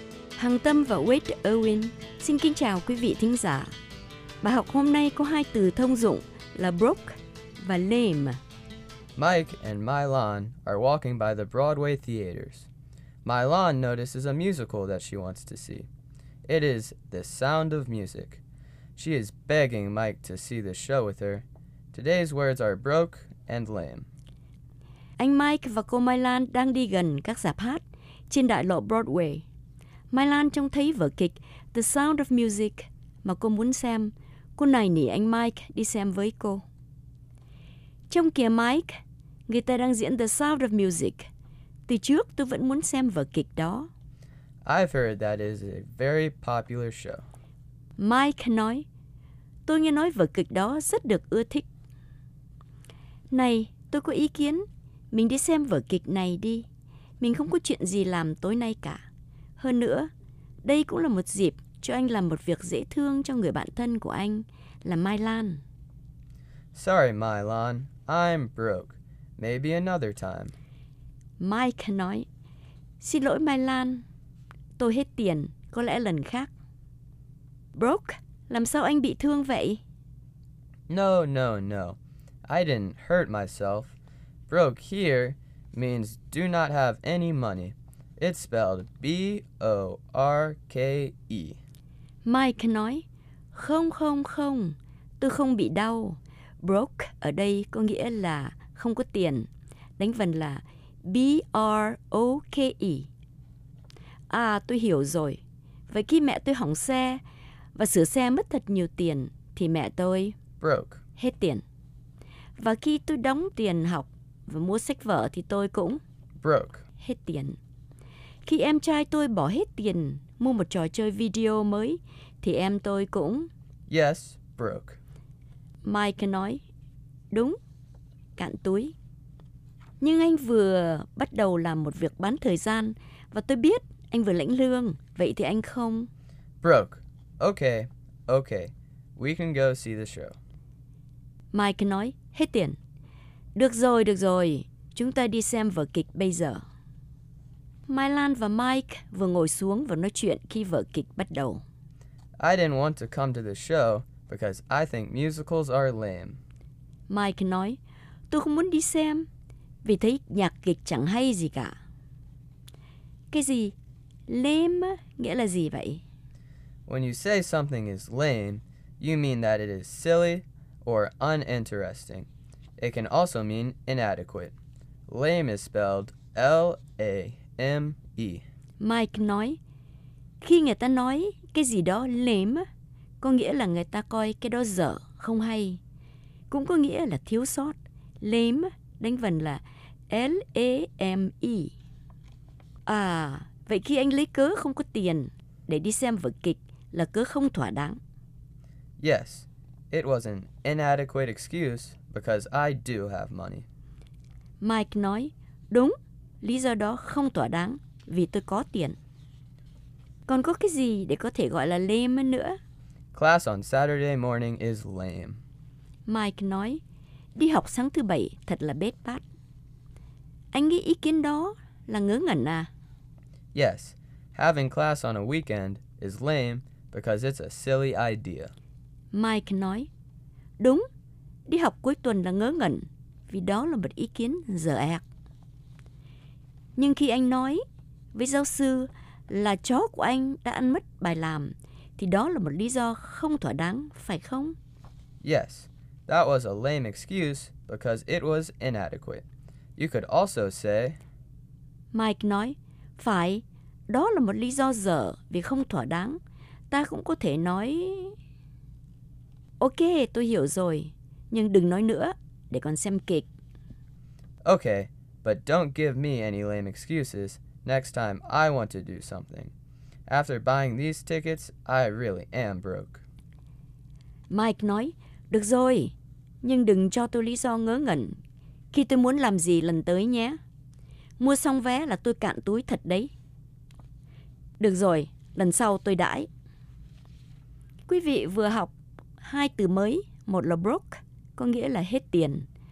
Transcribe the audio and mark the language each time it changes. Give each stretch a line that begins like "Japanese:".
Vietnamese: Hằng Tâm và Wade Irwin xin kính chào quý vị thính giả. Bài học hôm nay có hai từ thông dụng là broke và lame.
English: Mike and Mylon are walking by the Broadway theaters. Mylon notices a musical that she wants to see. It is The Sound of Music. She is begging Mike to see the show with her. Today's words are broke and lame.
Vietnamese: Anh Mike và cô Mylon đang đi gần các rạp hát trên đại lộ Broadway. Mylon trông thấy vở kịch The Sound of Music mà cô muốn xem. Cô nài nỉ anh Mike đi xem với cô. Trong kìa Mike, người ta đang diễn The Sound of Music. Từ trước tôi vẫn muốn xem vở kịch đó.
English: I've heard that is a very popular show.
Vietnamese: Mike nói, tôi nghe nói vở kịch đó rất được ưa thích. Này, tôi có ý kiến, mình đi xem vở kịch này đi. Mình không có chuyện gì làm tối nay cả. Hơn nữa, đây cũng là một dịp cho anh làm một việc dễ thương cho người bạn thân của anh là Mylon.
English: Sorry, Mylon. I'm broke. Maybe another time.
Vietnamese: Mike nói, xin lỗi Mylon, tôi hết tiền, có lẽ lần khác. Broke? Làm sao anh bị thương vậy?
English: No. I didn't hurt myself. Broke here means do not have any money. It's spelled B-O-R-K-E.
Vietnamese: Mike nói, không, tôi không bị đau. Broke ở đây có nghĩa là không có tiền. Đánh vần là B-R-O-K-E. À, tôi hiểu rồi. Vậy khi mẹ tôi hỏng xe và sửa xe mất thật nhiều tiền, thì mẹ tôi...
English: Broke.
Vietnamese: Hết tiền. Và khi tôi đóng tiền học, và mua sách vở thì tôi cũng
English: broke,
Vietnamese: hết tiền. Khi em trai tôi bỏ hết tiền mua một trò chơi video mới thì em tôi cũng
English: yes, broke.
Vietnamese: Mike nói đúng, cạn túi. Nhưng anh vừa bắt đầu làm một việc bán thời gian và tôi biết anh vừa lãnh lương, vậy thì anh không
English: broke. Okay, okay, we can go see the show.
Vietnamese: Mike nói hết tiền. Được rồi, chúng ta đi xem vở kịch bây giờ. Mai Lan và Mike vừa ngồi xuống và nói chuyện khi vở kịch bắt đầu.
English: I didn't want to come to the show because I think musicals are lame.
Vietnamese: Mike nói, tôi không muốn đi xem vì thấy nhạc kịch chẳng hay gì cả. Cái gì? Lame nghĩa là gì vậy?
English: When you say something is lame, you mean that it is silly or uninteresting. It can also mean inadequate. Lame is spelled L-A-M-E.
Vietnamese: Mike nói, khi người ta nói cái gì đó lame, có nghĩa là người ta coi cái đó dở, không hay. Cũng có nghĩa là thiếu sót. Lame đánh vần là L-A-M-E. À, vậy khi anh lấy cớ không có tiền để đi xem vở kịch là cớ không thỏa đáng.
English: Yes, it was an inadequate excuse because I do have money.
Vietnamese: Mike nói, đúng, lý do đó không thỏa đáng vì tôi có tiền. Còn có cái gì để có thể gọi là lame nữa?
English: Class on Saturday morning is lame.
Vietnamese: Mike nói, đi học sáng thứ bảy thật là bết bát. Anh nghĩ ý kiến đó là ngớ ngẩn à?
English: Yes, having class on a weekend is lame because it's a silly idea.
Vietnamese: Mike nói, đúng, đi học cuối tuần là ngớ ngẩn vì đó là một ý kiến dở ẹc. Nhưng khi anh nói với giáo sư là chó của anh đã ăn mất bài làm thì đó là một lý do không thỏa đáng, phải không?
English: Yes, that was a lame excuse because it was inadequate. You could also say
Vietnamese: Mike nói, phải, đó là một lý do dở vì không thỏa đáng. Ta cũng có thể nói ok, tôi hiểu rồi, nhưng đừng nói nữa, để con xem kịch.
English: Okay, but don't give me any lame excuses next time I want to do something. After buying these tickets, I really am broke.
Vietnamese: Mike nói, được rồi, nhưng đừng cho tôi lý do ngớ ngẩn khi tôi muốn làm gì lần tới nhé. Mua xong vé là tôi cạn túi thật đấy. Được rồi, lần sau tôi đãi. Quý vị vừa học hai từ mới, một là broke, có nghĩa là hết tiền.